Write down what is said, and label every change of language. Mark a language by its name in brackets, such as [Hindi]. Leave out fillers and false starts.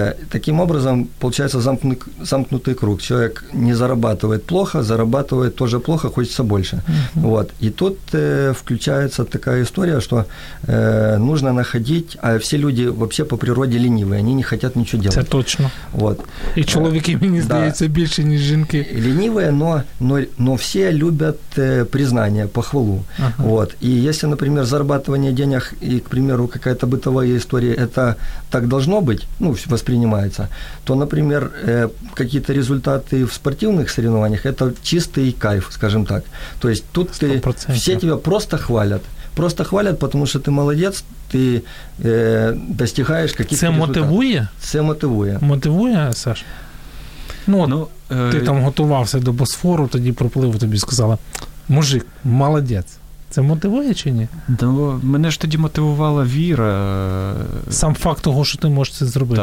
[Russian] Таким образом, получается замкнутый круг. Человек не зарабатывает плохо, зарабатывает тоже плохо, хочется больше. Вот. И тут включается такая история, что нужно находить, а все люди вообще по природе ленивые, они не хотят ничего делать. Это точно. Вот. [Ukrainian] И чоловіки, мені здається, більше, ніж жінки. [Russian] Ленивые, но все любят признание, похвалу. Ага. Вот. И если, например, зарабатывание денег и, к примеру, какая-то бытовая история, это так должно быть, ну, воспринимается, то, например, какие-то результаты в спортивных соревнованиях, это чистый кайф, скажем так. То есть тут ты, все тебя просто хвалят. Просто хвалят, потому что ты молодец, ты достигаешь каких-то результатов. [Ukrainian] Мотивує, Саш? Ти там готувався до Босфору, тоді пропливу тобі сказала, [Russian] мужик, молодец. [Ukrainian] Це мотивує чи ні? Ну, мене ж тоді мотивувала віра. Сам факт того, що ти можеш це зробити.